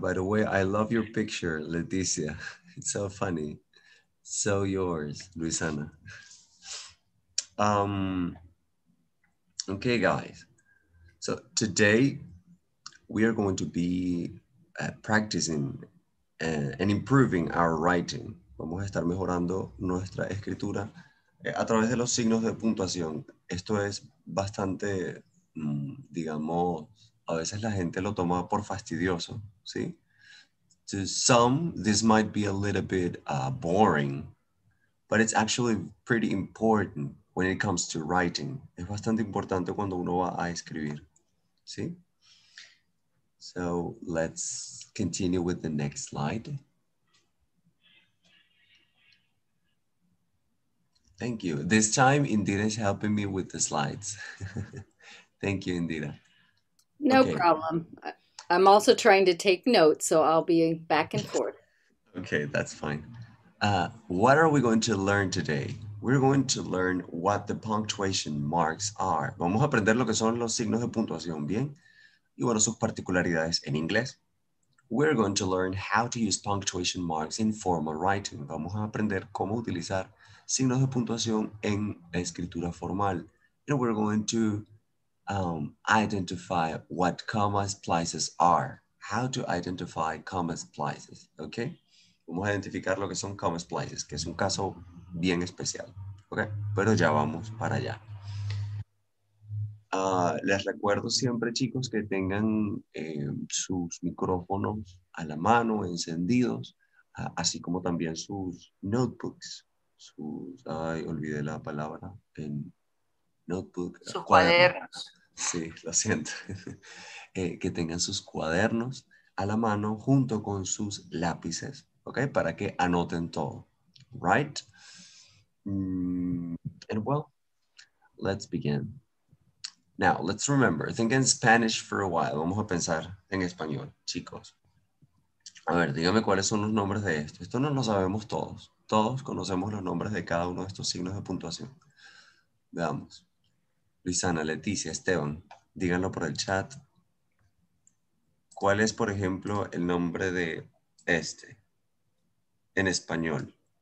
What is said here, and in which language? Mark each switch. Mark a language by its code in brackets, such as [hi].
[en] By the way, I love your picture, Leticia. It's so funny. So yours, Luzana. Okay, guys. So today we are going to be practicing and improving our writing. [es] Vamos a estar mejorando nuestra escritura a través de los signos de puntuación. Esto es bastante, digamos, a veces la gente lo toma por fastidioso, ¿sí? [en] To some, this might be a little bit boring, but it's actually pretty important when it comes to writing. [es] Es bastante importante cuando uno va a escribir, ¿sí? [en] So let's continue with the next slide. Thank you. This time, Indira is helping me with the slides. Thank you, Indira. No problem. I'm also trying to take notes, so I'll be back and forth. Okay, that's fine. What are we going to learn today? We're going to learn what the punctuation marks are. [es] Vamos a aprender lo que son los signos de puntuación, bien. Y bueno, sus particularidades en inglés. [en] We're going to learn how to use punctuation marks in formal writing. [es] Vamos a aprender cómo utilizar signos de puntuación en escritura formal. [en] And we're going to identify what comma splices are. How to identify comma splices, okay? [es] Vamos a identificar lo que son comma splices, que es un caso bien especial, Okay, pero ya vamos para allá. Les recuerdo siempre, chicos, que tengan sus micrófonos a la mano, encendidos, así como también sus notebooks. Sus, ay, olvidé la palabra en notebook. Sus cuadernos. Sí, lo siento. que tengan sus cuadernos a la mano junto con sus lápices, ¿ok? Para que anoten todo, [en] ¿right? And well, let's begin. Now, let's remember, think in Spanish for a while. [es] Vamos a pensar en español, chicos. A ver, dígame cuáles son los nombres de esto. Esto no lo sabemos todos. Todos conocemos los nombres de cada uno de estos signos de puntuación. Veamos. Luisana, Leticia, Esteban, díganlo por el chat. ¿Cuál es, por ejemplo, el nombre de este en español?